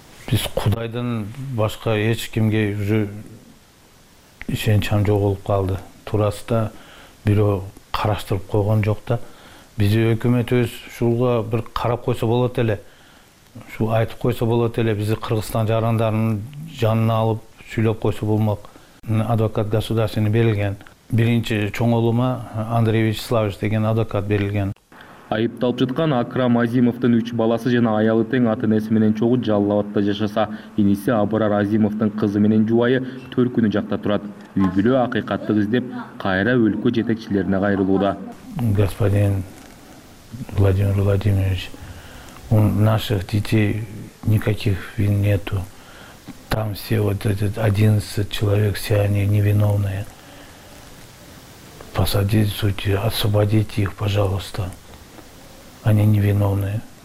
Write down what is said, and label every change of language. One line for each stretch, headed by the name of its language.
Kyrgyz: Биз Кудайдын башка эч кимге уже ишенчам жоголуп калды. Туурасы да бирөө караштырып койгон жок да. Бизди өкмөт өз шулга бир карап койсо болот эле. Шу айтып койсо болот эле, бизди Кыргызстан жарандарынын жанына алып сүйлөп койсо болмок. Адвокат государственный берилген. Биринчи чоңолума Андреевич Славович деген адвокат берилген. Айыпталып жаткан Акрам Азимовдун 3 баласы жана аялы тең ата-энеси менен чогуу Жалал-Абадта жашаса, иниси Абрар Азимовдун кызы менен жубайы төркүнү жакта турат. Үй бүлө акыйкатты издеп кайра өлкө жетекчилерине кайрылууда.
Russian: Господин Владимир Владимирович, у наших детей никаких вин нету. Там все вот этот 11 человек, все они невиновные. Посадите судьи, освободите их, пожалуйста. Они невиновные.